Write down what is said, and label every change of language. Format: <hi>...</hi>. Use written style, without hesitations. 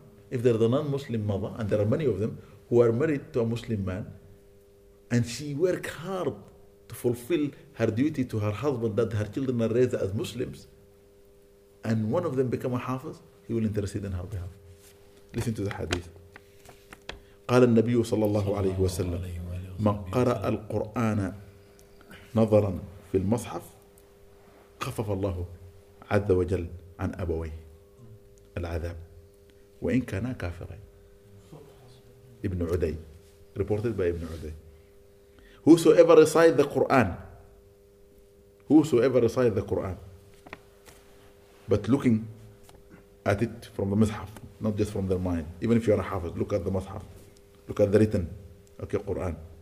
<en>If there is a non-Muslim mother, and there are many of them, who are married to a Muslim man, and she works hard to fulfill her duty to her husband that her children are raised as Muslims, and one of them become a hafiz, he will intercede on her behalf. Listen to the hadith.</en> <ar>قال النبي صلى الله عليه وسلم من قرأ القرآن نظرا في المصحف خفف الله عز وجل عن أبويه العذاب وإن كان كافرين.</ar> <en>Ibn Uday, reported by Ibn Uday. Whosoever recites the Quran, whosoever recites the Quran, but looking at it from the mishaf, not just from their mind, even if you are a hafiz, look at the mishaf, look at the written, okay, Quran.</en>